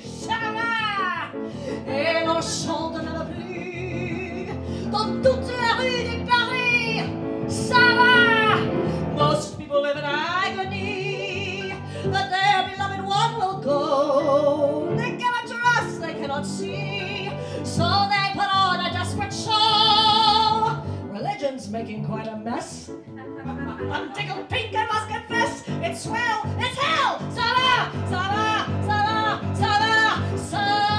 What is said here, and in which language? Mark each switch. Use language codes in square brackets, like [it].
[fr] Ça va, et l'on chante dans la pluie dans toute la rue de Paris. Ça va, [en] most people live in agony, but their beloved one will go. They cannot trust, they cannot see, so they put on a desperate show. Religion's making quite a mess. I'm tickled pink, I must confess. It's swell, it's hell. [fr] Ça va, ça va, ça va, ça va, ça va.